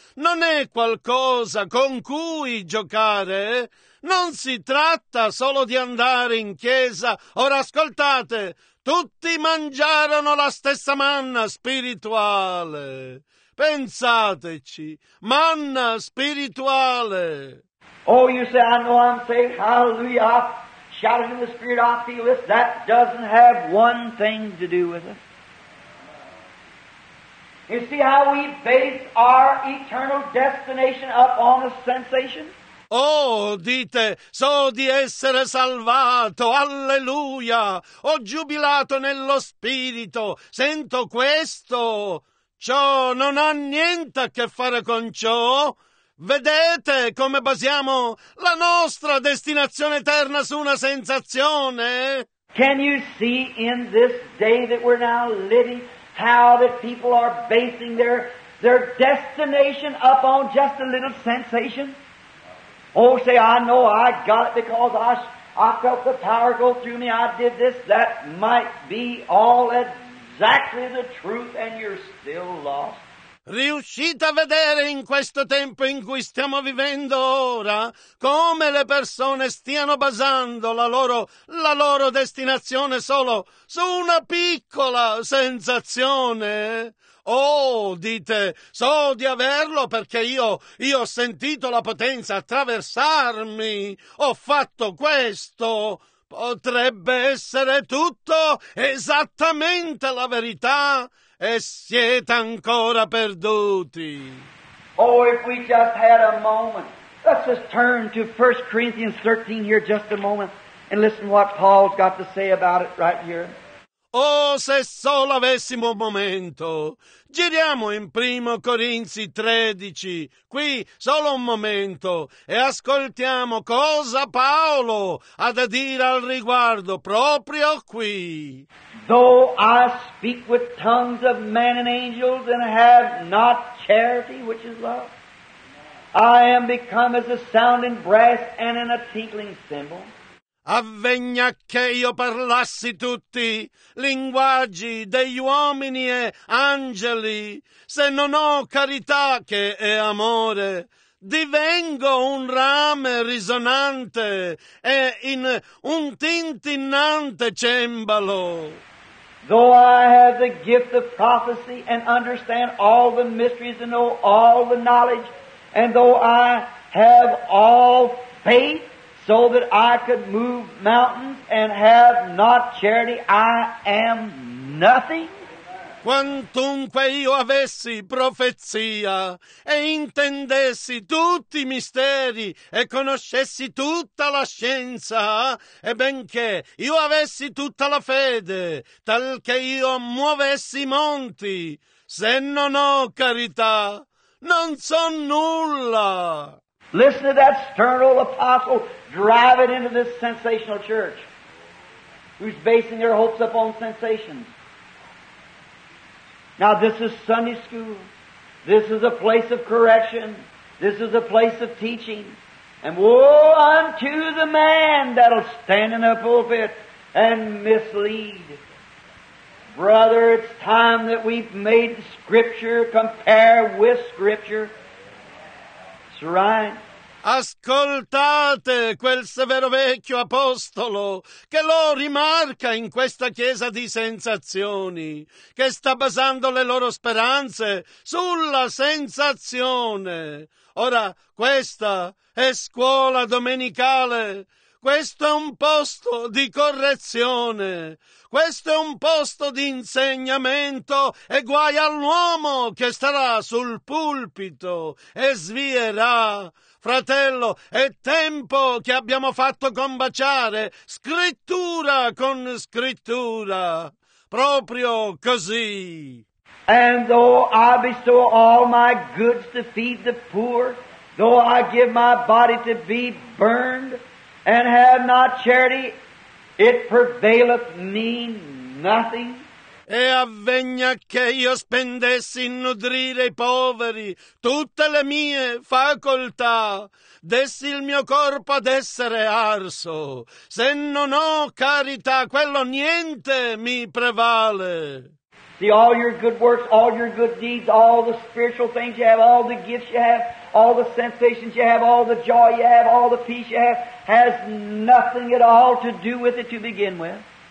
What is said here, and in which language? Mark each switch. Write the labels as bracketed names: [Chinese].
[Italian] Non è qualcosa con cui giocare. Non si tratta solo di andare in chiesa. Ora ascoltate, tutti mangiarono la stessa manna spirituale. Pensateci, manna spirituale. [English] Oh, you say, I know I'm saved, hallelujah, shouting in the spirit, I feel it. That doesn't have one thing to do with it. You see how we base our eternal destination up on a sensation? [Italian] Oh, dite, so di essere salvato, alleluia, ho giubilato nello spirito, sento questo. Ciò non ha niente a che fare con ciò. Vedete come basiamo la nostra destinazione eterna su una sensazione? [English] Can you see in this day that we're now living how the people are basing their destination up on just a little sensation? Oh, say, I know I got it because I felt the power go through me. I did this. That might be all it. Exactly the truth, and you're still lost. [Italian] Riuscite a vedere in questo tempo in cui stiamo vivendo ora come le persone stiano basando la loro destinazione solo su una piccola sensazione? Oh, dite, so di averlo perché io ho sentito la potenza attraversarmi. Ho fatto questo. Potrebbe essere tutto esattamente la verità e siete ancora perduti. [English] Oh, if we just had a moment. Let's just turn to 1 Corinthians 13 here just a moment and listen what Paul's got to say about it right here. [Italian] Oh, se solo avessimo un momento. Giriamo in 1 Corinzi 13, qui solo un momento, e ascoltiamo cosa Paolo ha da dire al riguardo proprio qui. [English] Though I speak with tongues of men and angels and have not charity, which is love, I am become as a sounding brass and in a tinkling cymbal. [Italian] Avvegna che io parlassi tutti linguaggi degli uomini e angeli, se non ho carità che è amore, divengo un rame risonante e in un tintinnante cembalo. [English] Though I have the gift of prophecy and understand all the mysteries and know all the knowledge, and though I have all faith, so that I could move mountains and have not charity, I am nothing. [Italian] Quantunque io avessi profezia e intendessi tutti i misteri e conoscessi tutta la scienza, e benché io avessi tutta la fede, tal che io muovessi i monti, se non ho carità, non so nulla. [English] Listen to that stern old apostle drive it into this sensational church who's basing their hopes upon sensations. Now this is Sunday school. This is a place of correction. This is a place of teaching. And woe unto the man that'll stand in the pulpit and mislead. Brother, it's time that we've made Scripture compare with Scripture. It's right. [Italian] Ascoltate quel severo vecchio apostolo che lo rimarca in questa chiesa di sensazioni, che sta basando le loro speranze sulla sensazione. Ora, questa è scuola domenicale, questo è un posto di correzione, questo è un posto di insegnamento, e guai all'uomo che starà sul pulpito e svierà. Fratello, è tempo che abbiamo fatto combaciare scrittura con scrittura, proprio così. [English] And though I bestow all my goods to feed the poor, though I give my body to be burned, and have not charity, it prevaileth me nothing. [Italian] E avvegna che io spendessi in nutrire i poveri tutte le mie facoltà, dessi il mio corpo ad essere arso. Se non ho carità, quello niente mi prevale. [English] See, all your good works, all your good deeds, all the spiritual things you have, all the gifts you have, all the sensations you have, all the joy you have, all the peace you have, has nothing at all to do with it to begin with.